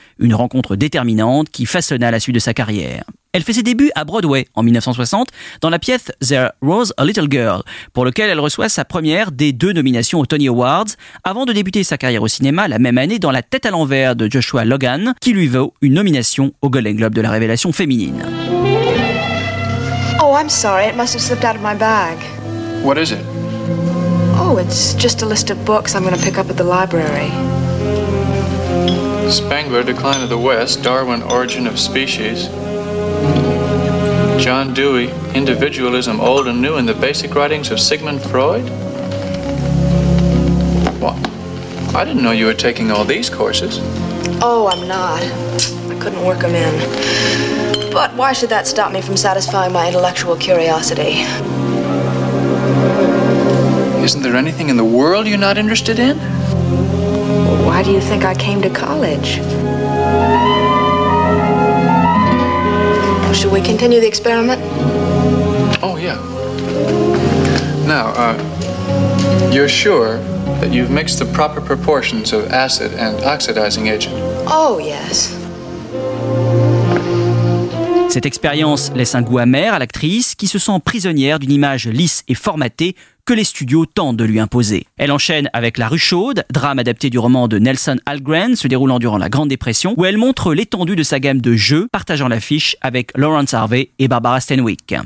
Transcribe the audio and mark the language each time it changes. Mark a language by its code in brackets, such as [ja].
[fr] Une rencontre déterminante qui façonna la suite de sa carrière. Elle fait ses débuts à Broadway en 1960 dans la pièce There Was a Little Girl, pour lequel elle reçoit sa première des deux nominations aux Tony Awards, avant de débuter sa carrière au cinéma la même année dans La tête à l'envers de Joshua Logan, qui lui vaut une nomination au Golden Globe de la révélation féminine. [en] Oh, I'm sorry, it must have slipped out of my bag. What is it? Oh, it's just a list of books I'm going to pick up at the library. Spengler, Decline of the West, Darwin, Origin of Species. John Dewey, Individualism Old and New in the Basic Writings of Sigmund Freud? What? I didn't know you were taking all these courses. Oh, I'm not. I couldn't work them in. But why should that stop me from satisfying my intellectual curiosity? Isn't there anything in the world you're not interested in? Why do you think I came to college? Should we continue the experiment? Oh, yeah. Now, you're sure that you've mixed the proper proportions of acid and oxidizing agent? Oh, yes. [fr] Cette expérience laisse un goût amer à l'actrice qui se sent prisonnière d'une image lisse et formatée que les studios tentent de lui imposer. Elle enchaîne avec La rue chaude, drame adapté du roman de Nelson Algren se déroulant durant la Grande Dépression, où elle montre l'étendue de sa gamme de jeux, partageant l'affiche avec Laurence Harvey et Barbara Stanwyck.